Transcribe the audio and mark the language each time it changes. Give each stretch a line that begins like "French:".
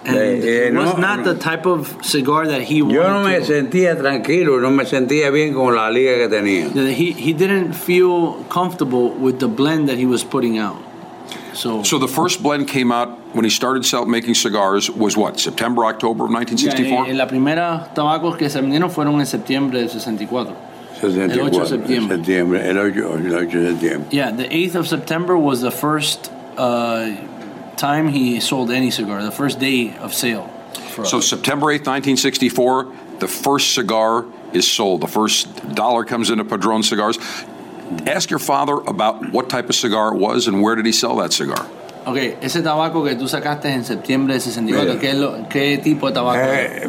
English: And it was not the type of cigar that he wanted to.
Spanish: Yo no me Sentía tranquilo, no me sentía bien con la liga que tenía.
English: He didn't feel comfortable with the blend that he was putting out. So the first blend came out when he started making cigars was what? September, October of 1964?
Spanish: Yeah, la primera tabacos que se vendieron fueron en septiembre de 64. El 8 de septiembre.
English: Yeah, the 8th of September was the first time he sold any cigar, the first day of sale. So September 8th, 1964, the first cigar is sold. The first dollar comes into Padron Cigars. Ask your father about what type of cigar it was and where did he sell that cigar.
Spanish: Okay, ese tabaco que tú sacaste en septiembre de 64, ¿qué tipo de tabaco?